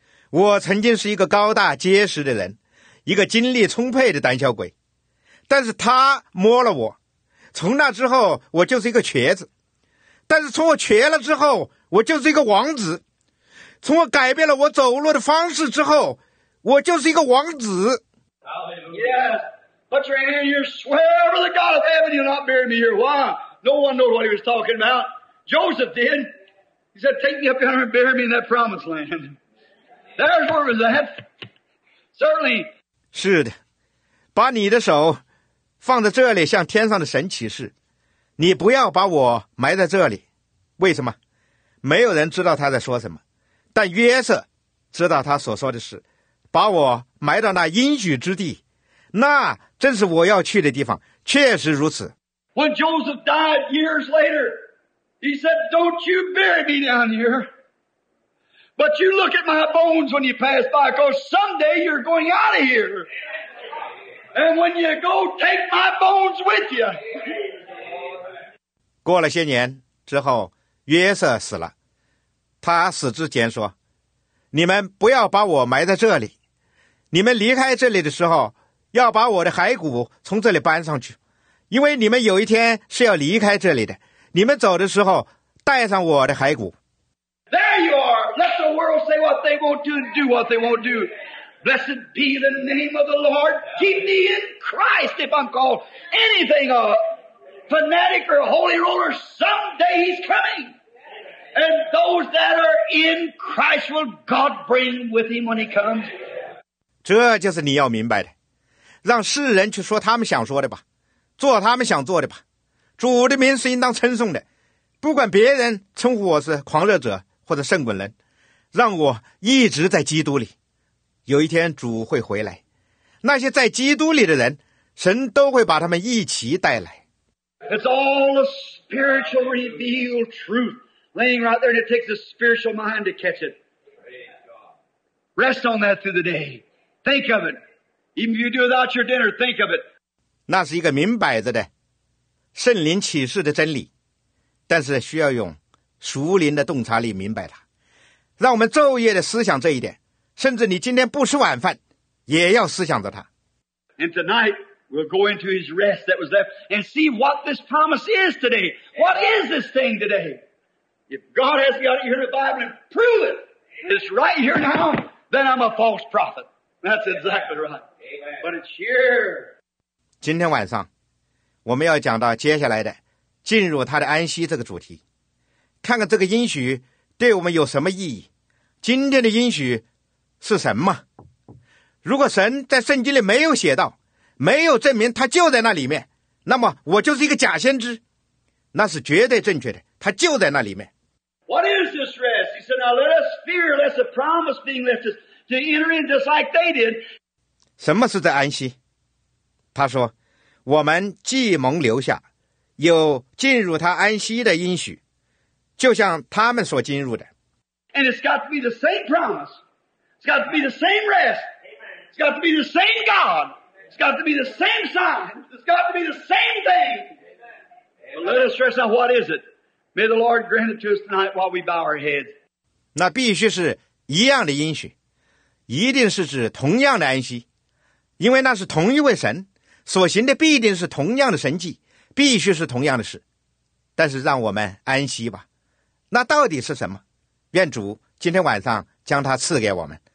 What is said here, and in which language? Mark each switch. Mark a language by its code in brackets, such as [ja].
[zh] 我曾经是一个高大结实的人，一个精力充沛的胆小鬼，但是他摸了我，从那之后我就是一个瘸子，但是从我瘸了之后我就是一个王子，从我改变了我走路的方式之后我就是一个王子。 [en] Yes, put your hand, you swear to the God of heaven you'll not bury me here. Why? No one knows what he was talking about. Joseph did. He said, "Take me up here and bury me in that promised land." There's where it was at. Certainly. [zh] 是的，把你的手放在这里，向天上的神起誓，你不要把我埋在这里。为什么？没有人知道他在说什么，但约瑟知道他所说的是，把我埋到那应许之地，那正是我要去的地方。确实如此。 [en] When Joseph died years later, he said, "Don't you bury me down here. But you look at my bones when you pass by, because someday you're going out of here. And when you go, take my bones with you. [zh] 过了些年之后，约瑟死了。他死之前说，你们不要把我埋在这里，你们离开这里的时候要把我的骸骨从这里搬上去，因为你们有一天是要离开这里的，你们走的时候带上我的骸骨。 [en] There you are. Let the world say what they won't do and do what they won't do. Blessed be the name of the Lord. Keep me in Christ if I'm called anything of fanatic or holy roller. Someday he's comingAnd those that are in Christ will God bring with him when he comes. [zh] 这就是你要明白的，让世人去说他们想说的吧，做他们想做的吧。主的名是应当称颂的，不管别人称呼我是狂热者或者圣滚人，让我一直在基督里。有一天主会回来，那些在基督里的人，神都会把他们一起带来。 [en] It's all a spiritual revealed truth. Laying right there, and it takes a spiritual mind to catch it. Rest on that through the day. Think of it. Even if you do without your dinner, think of it. [zh] 那是一个明摆着的圣灵启示的真理，但是需要用属灵的洞察力明白它。让我们昼夜的思想这一点，甚至你今天不吃晚饭也要思想着它。 [en] And tonight we'll go into his rest that was left and see what this promise is today. What is this thing today? If God has got it here in the Bible and prove it, it's right here now, then I'm a false prophet. That's exactly right. Amen. But it's here. [zh] 今天晚上我们要讲到接下来的进入他的安息这个主题。看看这个应许对我们有什么意义。今天的应许是什么？如果神在圣经里没有写到，没有证明他就在那里面，那么我就是一个假先知。那是绝对正确的。他就在那里面。 [en] What is this rest? He said, now let us fear lest the promise being left us to enter in just like they did. [zh] 什么是这安息？他说，我们既蒙留下，有进入他安息的应许，就像他们所进入的。 [en] And it's got to be the same promise. It's got to be the same rest. It's got to be the same God. It's got to be the same sign. It's got to be the same thing. Well, let us rest. Now, what is it? May the Lord grant it to us tonight while we bow our heads. [zh] 那必须是一样的应许，一定是指同样的安息，因为那是同一位神，所行的必定是同样的神迹，必须是同样的事。但是让我们安息吧。那到底是什么？愿主今天晚上将它赐给我们。